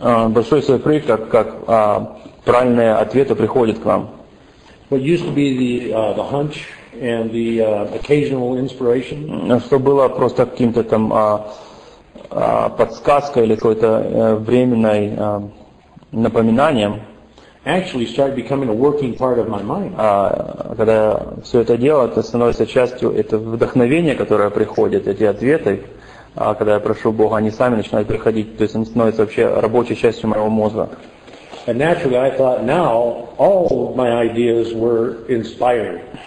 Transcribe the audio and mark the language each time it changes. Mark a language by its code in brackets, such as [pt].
[ru] Большой сюрприз, как правильные ответы приходят к вам. [en] What used to be the hunch and the occasional inspiration? [ru] Что было просто каким-то там подсказкой или какой-то временной напоминанием? [en] Actually, started becoming a working part of my mind. [ru] Когда все это дело, это становится частью, это вдохновение, которое приходит, эти ответы, когда я прошу Бога, они сами начинают приходить, то есть они становятся вообще рабочей частью моего мозга. [en] And naturally, I thought now all of my ideas were inspired.